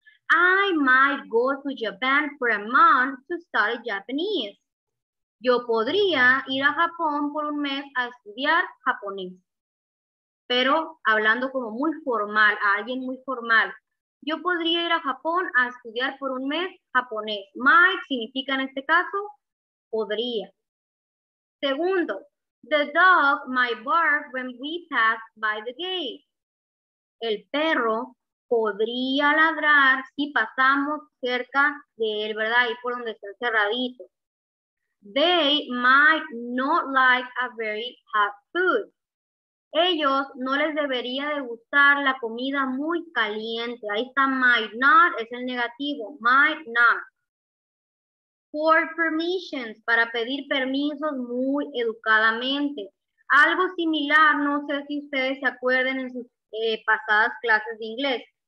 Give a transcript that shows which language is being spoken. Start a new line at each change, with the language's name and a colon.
English: I might go to Japan for a month to study Japanese.
Spanish: Yo podría ir a Japón por un mes a estudiar japonés. Pero hablando como muy formal, a alguien muy formal. Yo podría ir a Japón a estudiar por un mes japonés. Might significa en este caso, podría.
English: Segundo, the dog might bark when we pass by the gate.
Spanish: El perro podría ladrar si pasamos cerca de él, ¿verdad? Ahí por donde está el cerradito.
English: They might not like a very hot food.
Spanish: Ellos no les debería de gustar la comida muy caliente. Ahí está might not, es el negativo. Might not. For permissions, para pedir permisos muy educadamente. Algo similar, no sé si ustedes se acuerden en sus pasadas clases de inglés.